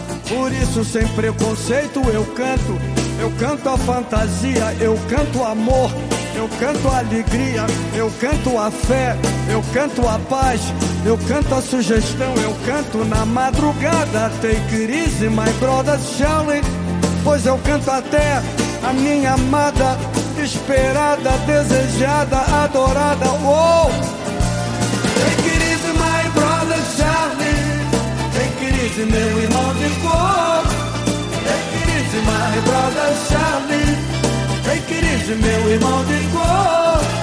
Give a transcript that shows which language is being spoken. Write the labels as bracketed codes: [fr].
[pt] Por isso, sem preconceito, eu canto a fantasia, eu canto o amor, eu canto a alegria, eu canto a fé, eu canto a paz, eu canto a sugestão, eu canto na madrugada. [en] Take it easy, my brother Charlie, [pt] pois eu canto até a minha amada, esperada, desejada, adorada, oh! [en] Take it easy, my brother Charlie. Take it easy, [pt] meu irmão de cor. [en] Take it easy, my brother Charlie. Take it easy, [pt] meu irmão de cor.